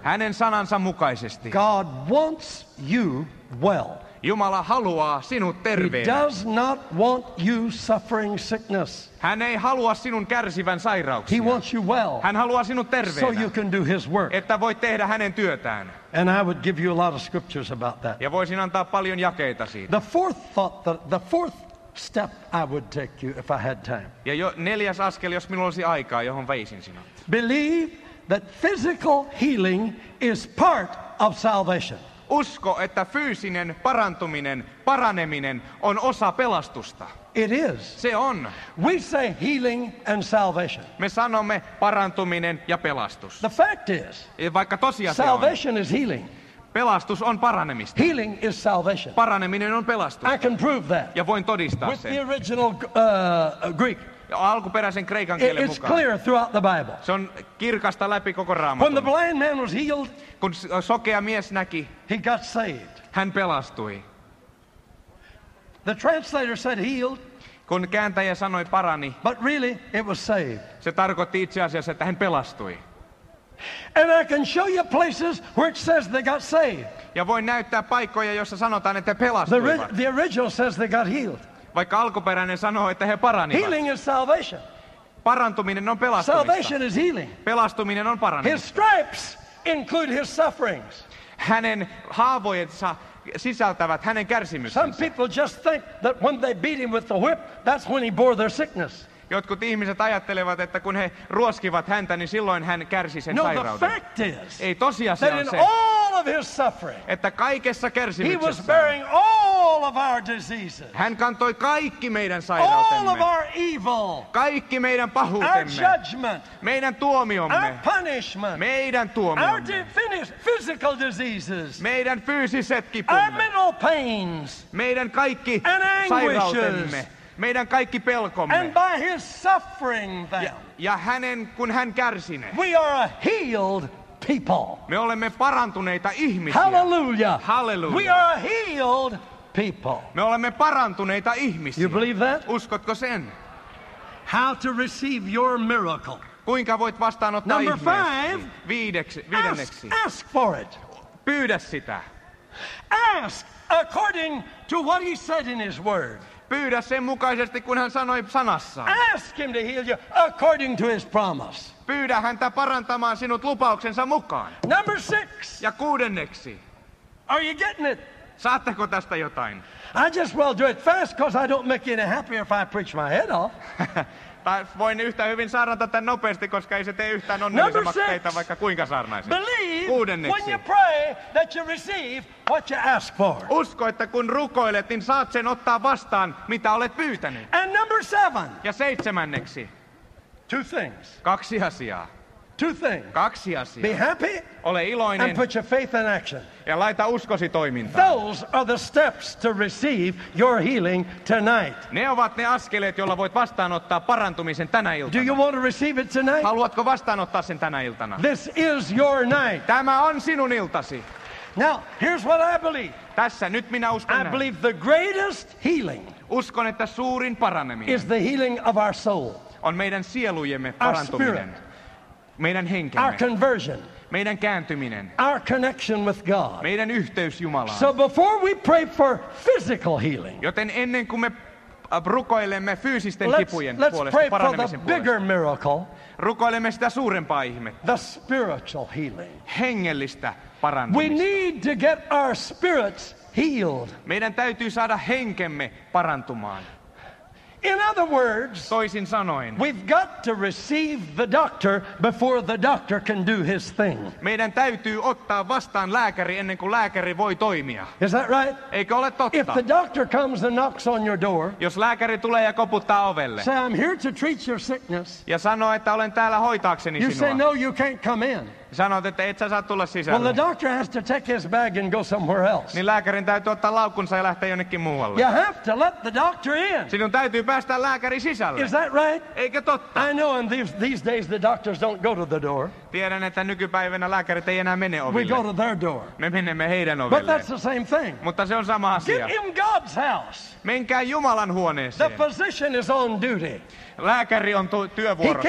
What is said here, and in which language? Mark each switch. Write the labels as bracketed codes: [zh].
[fi] Hänen sanansa mukaisesti. [en] God wants you well. [fi] Jumala haluaa sinut terveenä. [en] He does not want you suffering sickness. [fi] Hän ei halua sinun kärsivän sairauksia. [en] He wants you well. [fi] Hän haluaa sinut terveenä. [en] So you can do his work. [fi] Että voit tehdä hänen työtään. [en] And I would give you a lot of scriptures about that. [fi] Ja voisin antaa paljon jakeita siitä. [en] The fourth step I would take you if I had time. [fi] Ja jo neljäs askel, jos minulla olisi aikaa, johon veisin sinut. [en] Believe that physical healing is part of salvation. [fi] Usko, että fyysinen parantuminen, paraneminen on osa pelastusta. [en] It is. [fi] Se on. [en] We say healing and salvation. [fi] Me sanomme parantuminen ja pelastus. [en] The fact is. [fi] Vaikka tosiasia [en] salvation [fi] on. [en] Is healing. [fi] Pelastus on paranemista. [en] Healing is salvation. [fi] Paraneminen on pelastus. [en] I can prove that. [fi] Ja voin todistaa [en] with [fi] sen. [en] The original Greek. [fi] Alkuperäisen kreikan kielen mukaan. [en] It's clear throughout the Bible. [fi] Se on kirkasta läpi koko Raamatun. [en] When the blind man was healed, [fi] kun sokea mies näki, [en] he got saved. [fi] Hän pelastui. [en] The translator said healed. [fi] Kun kääntäjä sanoi parani. [en] But really, it was saved. [fi] Se tarkoitti itse asiassa, että hän pelastui. [en] And I can show you places where it says they got saved. [fi] Ja voin näyttää paikkoja, joissa sanotaan, että pelastuivat. [en] The original says they got healed. [fi] Vaikka alkuperäinen sanoo, että he paranivat. [en] Healing is salvation. [fi] Parantuminen on pelastumista. [en] Salvation is healing. [fi] Pelastuminen on parantumista. [en] His stripes include his sufferings. [fi] Hänen haavojensa sisältävät hänen kärsimyksensä. [en] Some people just think that when they beat him with the whip, that's when he bore their sickness. [fi] Jotkut ihmiset ajattelevat, että kun he ruoskivat häntä, niin silloin hän kärsi sen [en] no, [fi] sairauden. [en] The fact is, [fi] ei tosiasia [en] that [fi] se, [en] in all of his suffering, [fi] että kaikessa kärsimyksessä [en] he was bearing all of our diseases, [fi] hän kantoi kaikki meidän sairautemme, [en] all of our evil, [fi] kaikki meidän pahuutemme, [en] our judgment, [fi] meidän tuomiomme, [en] our punishment, [fi] meidän tuomiomme, [en] our physical diseases, [fi] meidän fyysiset kipumme, [en] our mental pains, [fi] meidän kaikki [en] and [fi] sairautemme. Meidän kaikki pelkomme. [en] And by his suffering them, [fi] ja hänen, kun hän kärsi ne. [en] We are a healed people. [fi] Me olemme parantuneita ihmisiä. [en] Hallelujah. [fi] Hallelujah. [en] We are a healed people. [fi] Me olemme parantuneita ihmisiä. [en] You believe that? [fi] Uskotko sen? [en] How to receive your miracle. [fi] Kuinka voit vastaanottaa ihmeesi? [en] Number five. [fi] Viidenneksi. [en] Ask for it. [fi] Pyydä sitä. [en] Ask according to what he said in his word. [fi] Pyydä sen mukaisesti, kun hän sanoi sanassaan. [en] Ask him to heal you according to his promise. [fi] Pyydä häntä parantamaan sinut lupauksensa mukaan. [en] Number six. [fi] Ja kuudenneksi. [en] Are you getting it? [fi] Saatteko tästä jotain? [en] I just will do it fast, because I don't make you any happier if I preach my head off. [fi] Tai voin yhtä hyvin saarnata tämän nopeasti, koska ei se tee yhtään onnellisemmaksi teitä, vaikka kuinka saarnaisin. [en] Believe [fi] kuudenneksi. [en] When you pray that you receive what you ask for. [fi] Usko, että kun rukoilet, niin saat sen ottaa vastaan, mitä olet pyytänyt. [en] And number seven. [fi] Ja seitsemänneksi. [en] Two things. [fi] Kaksi asiaa. [en] Two things. [fi] Kaksi asiaa. [en] Be happy. [fi] Ole iloinen. [en] And put your faith in action. [fi] Ja laita uskosi toimintaan. [en] Those are the steps to receive your healing tonight. [fi] Ne ovat ne askeleet, joilla voit vastaanottaa parantumisen tänä iltana. [en] Do you want to receive it tonight? [fi] Haluatko vastaanottaa sen tänä iltana? [en] This is your night. [fi] Tämä on sinun iltasi. [en] Now, here's what I believe. [fi] Tässä nyt minä uskon. [en] I [fi] näin. [en] Believe the greatest healing. [fi] Uskon, että suurin paraneminen. [en] Is the healing of our soul. [fi] On meidän sielujemme parantuminen. [en] Our spirit. Our conversion. [fi] Meidän kääntyminen. [en] Our connection with God. [fi] Meidän yhteys Jumalaan. [en] So before we pray for physical healing. [fi] Joten ennen kuin me rukoilemme fyysisten kipujen puolesta, parannemisen [en] Let's pray for the bigger miracle. [fi] Rukoilemme sitä suurempaa ihmettä. [en] The spiritual healing. [fi] Hengellistä parantumista. [en] We need to get our spirits healed. [fi] Meidän täytyy saada henkemme parantumaan. [en] In other words, [fi] toisin sanoen, [en] we've got to receive the doctor before the doctor can do his thing. [fi] Meidän täytyy ottaa vastaan lääkäri ennen kuin lääkäri voi toimia. [en] Is that right? [fi] Eikö ole totta? [en] If the doctor comes and knocks on your door, [fi] jos lääkäri tulee ja koputtaa ovelle, [en] say, I'm here to treat your sickness, [fi] ja sanoo, että olen täällä hoitaakseni sinua, [en] you say, no, you can't come in. [fi] Sanoit, että et sä saa tulla sisälle. [en] Well, the doctor has to take his bag and go somewhere else. [fi] Niin lääkärin täytyy ottaa laukkunsa ja lähteä jonnekin muualle. [en] You have to let the doctor in. [fi] Sinun täytyy päästä lääkärin sisälle. [en] Is that right? [fi] Eikö totta? [en] I know, and these days the doctors don't go to the door. [fi] Tiedän, että nykypäivänä lääkärit ei enää mene oville. [en] We go to their door. [fi] Me menemme heidän ovelle. [en] But that's the same thing. [fi] Mutta se on sama asia. [en] Get in God's house. [fi] Menkää Jumalan huoneeseen. [en] The physician is on duty. [fi] Lääkäri on työvuorossa.